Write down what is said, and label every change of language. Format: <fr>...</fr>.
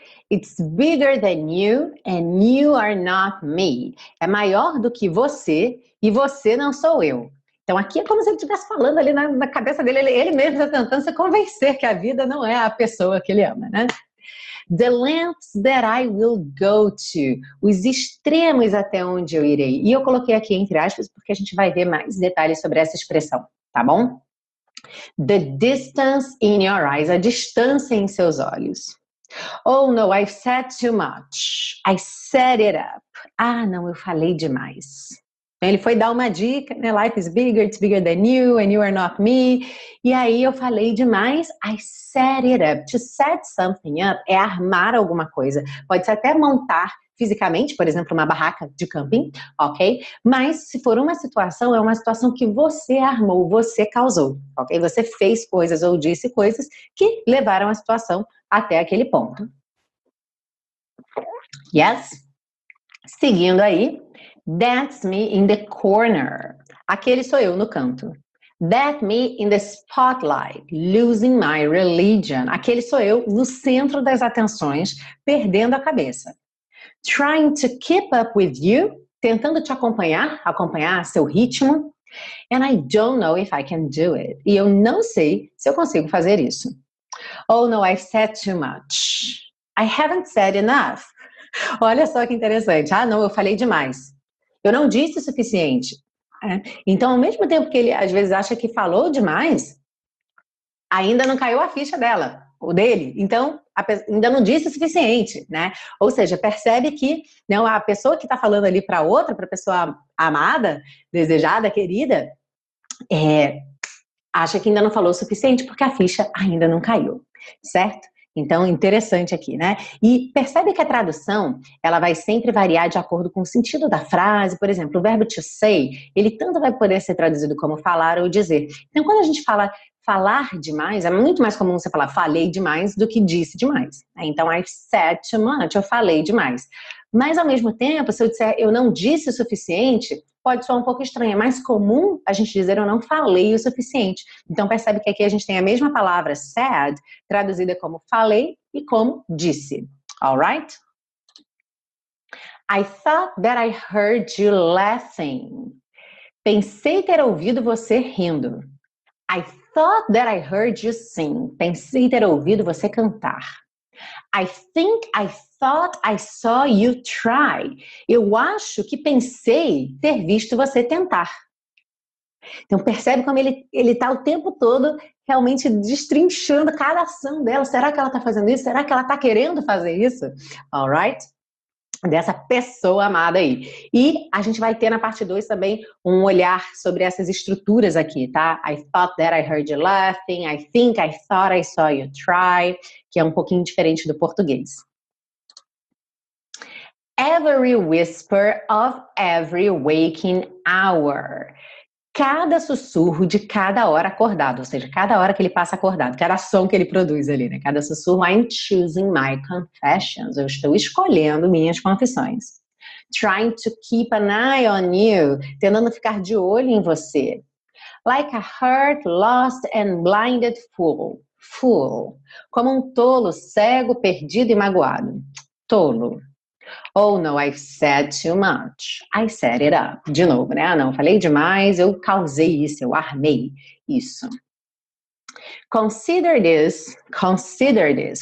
<en>It's bigger than you and you are not me.</en> <pt>É maior do que você... E você não sou eu. Então aqui é como se ele estivesse falando ali na cabeça dele. Ele mesmo está tentando se convencer que a vida não é a pessoa que ele ama, né?</pt> <en>The lengths that I will go to.</en> <pt>Os extremos até onde eu irei. E eu coloquei aqui entre aspas porque a gente vai ver mais detalhes sobre essa expressão, tá bom?</pt> <en>The distance in your eyes.</en> <pt>A distância em seus olhos.</pt> <en>Oh no, I've said too much. I set it up.</en> <pt>Ah não, eu falei demais. Ele foi dar uma dica, né?</pt> <en>Life is bigger, it's bigger than you, and you are not me.</en> <pt>E aí eu falei demais,</pt> <en>I set it up. To set something up</en> <pt>é armar alguma coisa. Pode ser até montar fisicamente, por exemplo, uma barraca de camping, ok? Mas se for uma situação, é uma situação que você armou, você causou, ok? Você fez coisas ou disse coisas que levaram a situação até aquele ponto.</pt> <en>Yes?</en> <pt>Seguindo aí.</pt> <en>That's me in the corner.</en> <pt>Aquele sou eu no canto.</pt> <en>That's me in the spotlight, losing my religion.</en> <pt>Aquele sou eu no centro das atenções, perdendo a cabeça.</pt> <en>Trying to keep up with you,</en> <pt>tentando te acompanhar seu ritmo.</pt> <en>And I don't know if I can do it.</en> <pt>E eu não sei se eu consigo fazer isso.</pt> <en>Oh no, I've said too much. I haven't said enough.</en> <pt>Olha só que interessante. Ah não, eu falei demais. Eu não disse o suficiente. Né? Então, ao mesmo tempo que ele, às vezes, acha que falou demais, ainda não caiu a ficha dela, ou dele. Então, ainda não disse o suficiente, né? Ou seja, percebe que, né, a pessoa que está falando ali para outra, para a pessoa amada, desejada, querida, acha que ainda não falou o suficiente, porque a ficha ainda não caiu, certo? Então, interessante aqui, né? E percebe que a tradução, ela vai sempre variar de acordo com o sentido da frase. Por exemplo, o verbo to say, ele tanto vai poder ser traduzido como falar ou dizer. Então, quando a gente fala falar demais, é muito mais comum você falar falei demais do que disse demais. Né? Então,</pt> <en>I've said too much,</en> <pt>eu falei demais. Mas, ao mesmo tempo, se eu disser eu não disse o suficiente, pode soar um pouco estranho. É mais comum a gente dizer eu não falei o suficiente. Então, percebe que aqui a gente tem a mesma palavra said, traduzida como falei e como disse.</pt> <en>Alright? I thought that I heard you laughing.</en> <pt>Pensei ter ouvido você rindo.</pt> <en>I thought that I heard you sing.</en> <pt>Pensei ter ouvido você cantar.</pt> <en>I think I thought I saw you try.</en> <pt>Eu acho que pensei ter visto você tentar. Então percebe como ele está o tempo todo realmente destrinchando cada ação dela. Será que ela está fazendo isso? Será que ela está querendo fazer isso?</pt> <en>All right?</en> <pt>Dessa pessoa amada aí. E a gente vai ter na parte 2 também um olhar sobre essas estruturas aqui, tá?</pt> <en>I thought that I heard you laughing. I think I thought I saw you try.</en> <pt>Que é um pouquinho diferente do português.</pt> <en>Every whisper of every waking hour.</en> <pt>Cada sussurro de cada hora acordado, ou seja, cada hora que ele passa acordado, cada som que ele produz ali, né? Cada sussurro,</pt> <en>I'm choosing my confessions.</en> <pt>Eu estou escolhendo minhas confissões.</pt> <en>Trying to keep an eye on you.</en> <pt>Tentando ficar de olho em você.</pt> <en>Like a hurt, lost and blinded fool.</en> <pt>Fool. Como um tolo, cego, perdido e magoado. Tolo.</pt> <en>Oh, no, I've said too much. I set it up.</en> <pt>De novo, né? Ah, não, falei demais, eu causei isso, eu armei isso.</pt> <en>Consider this, consider this.</en>